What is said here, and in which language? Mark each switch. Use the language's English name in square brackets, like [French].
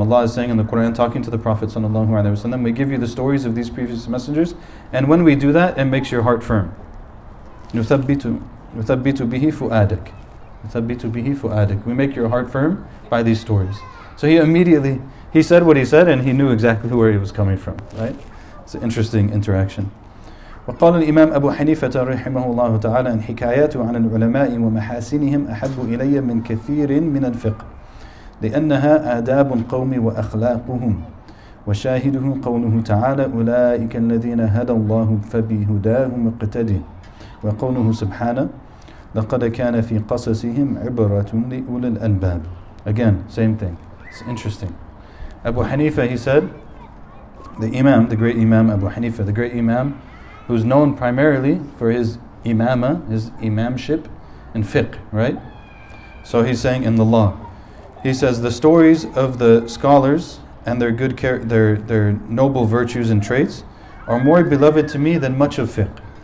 [English] Allah is saying in the Quran, talking to the Prophet ﷺ, we give you the stories of these previous messengers. And when we do that, it makes your heart firm. [Arabic] نُثَبِّتُ بِهِ فُؤَادَكَ نُثَبِّتُ بِهِ فُؤَادَكَ. [English] We make your heart firm by these stories. So he immediately, he said what he said, and he knew exactly where he was coming from, right? It's an interesting interaction. [Arabic] وَقَالَ الْإِمَامُ أَبُو حَنِيفَةَ رَحِمَهُ اللَّهُ تَعَالَى أَنْ حِكَايَاتُ عَنَ الْعُلَمَاءِ وَمَحَاسِنِهِمْ أَحَبُّ إِلَيَّ مِنْ كَثِيرٍ مِنَ الْفِقْهِ لأنها آداب قوم وأخلاقهم وشاهده قوله تعالى أولئك الذين هدى الله فبهداهم اقتده وقوله سبحانه لقد كان في قصصهم عبرة لأولي الألباب. [English] Again, same thing. It's interesting. Abu Hanifa, he said, the Imam, the great Imam Abu Hanifa, the great Imam who's known primarily for his imama, his imamship in fiqh, right? So he's saying in the law. He says, the stories of the scholars and their good their noble virtues and traits are more beloved to me than much of fiqh.